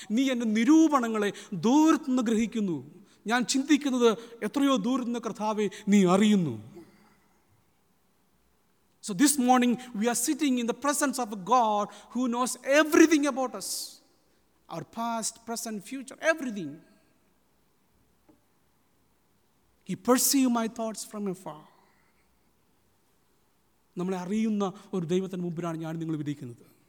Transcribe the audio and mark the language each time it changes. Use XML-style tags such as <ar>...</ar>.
<ml>നീ എൻ്റെ നിരൂപണങ്ങളെ ദൂരത്ത് നിന്ന് ഗ്രഹിക്കുന്നു. ഞാൻ ചിന്തിക്കുന്നത് എത്രയോ ദൂരത്ത് നിന്ന് കർത്താവെ നീ അറിയുന്നു.</ml> <en>So this morning we are sitting in the presence of God who knows everything about us, our past present future, everything. He perceives my thoughts from afar.</en> <ml>നമ്മളെ അറിയുന്ന ഒരു ദൈവത്തിന് മുമ്പിലാണ് ഞാൻ നിങ്ങൾ വിധിക്കുന്നത്.</ml>